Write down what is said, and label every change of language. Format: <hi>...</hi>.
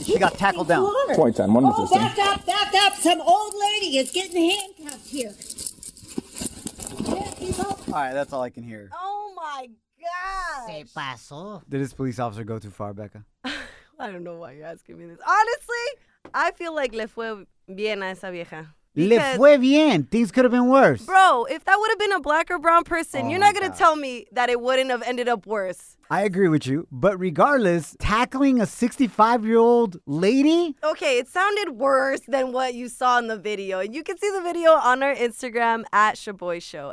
<en>He got tackled down. Water. Point time. One oh, back up. Some old lady is getting handcuffed here. All right, that's all I can hear. Oh my gosh.</en> <es>Se pasó.</es> <en>Did this police officer go too far, Becca? I don't know why you're asking me this. Honestly, I feel like</en> <es>le fue bien a esa vieja. Le fue bien.</es> <en>Things could have been worse. Bro, if that would have been a black or brown person, you're not going to tell me that it wouldn't have ended up worse. I agree with you. But regardless, tackling a 65-year-old lady? Okay, it sounded worse than what you saw in the video. And you can see the video on our Instagram at Shaboy Show.</en>